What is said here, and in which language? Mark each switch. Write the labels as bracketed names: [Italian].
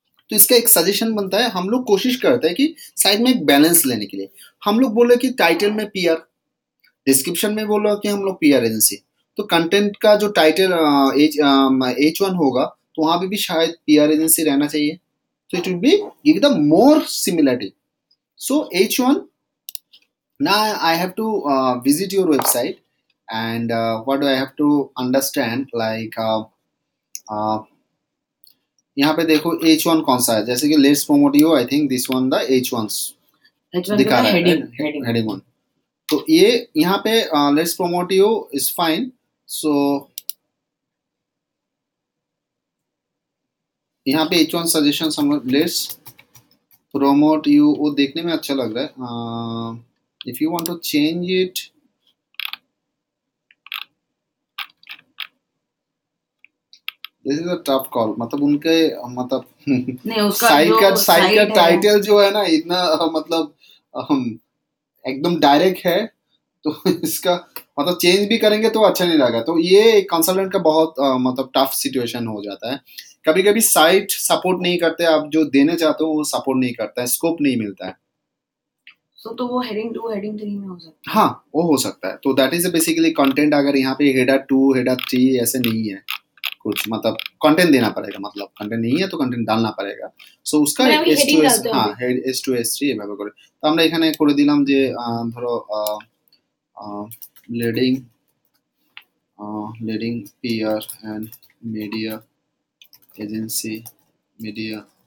[Hindi] तो इसका एक सजेशन बनता है. हम लोग कोशिश करते हैं कि साइड में एक बैलेंस लेने के लिए हम लोग बोले कि टाइटल में PR, डिस्क्रिप्शन में बोलो कि हम लोग PR एजेंसी. तो कंटेंट का जो टाइटल H1 होगा तो वहां भी शायद PR एजेंसी रहना चाहिए. [English] So it will be give the more similarity. So H1, now I have to visit your website, and what do I have to understand? Like [Hindi] यहाँ पे देखो H1 कौन सा है, जैसे कि [English] let's promote you, I think this one the H1s [Hindi] दिखा रहा है, heading [English] one. [Hindi] तो ये यहाँ पे [English] let's promote you [Hindi] is fine. So यहाँ पे H1 suggestion [English] let's promote you, [Hindi] वो देखने में अच्छा लग रहा है. [English] If you want to change it, this is a tough call. [Hindi] मतलब उनके मतलब साइट का टाइटल जो है ना इतना मतलब एकदम डायरेक्ट है, तो इसका मतलब चेंज भी करेंगे तो अच्छा नहीं लगा. तो ये कंसल्टेंट का बहुत मतलब टफ सिचुएशन हो जाता है. कभी कभी साइट सपोर्ट नहीं करते, आप जो देने चाहते हो वो सपोर्ट नहीं करता है, स्कोप नहीं मिलता है. तो वो हेडिंग 2, हेडिंग 3 में हो सकता है. हाँ, वो हो सकता है. तो दैट इज बेसिकली कंटेंट, अगर यहाँ पे हेडर 2, हेडर 3 ऐसे नहीं है कुछ, मतलब कंटेंट देना पड़ेगा, मतलब कंटेंट नहीं है तो कंटेंट डालना पड़ेगा. सो उसका [Bangla] H2, H3 আমরা এখানে করে দিলাম যে ধরো leading peer and media agency media.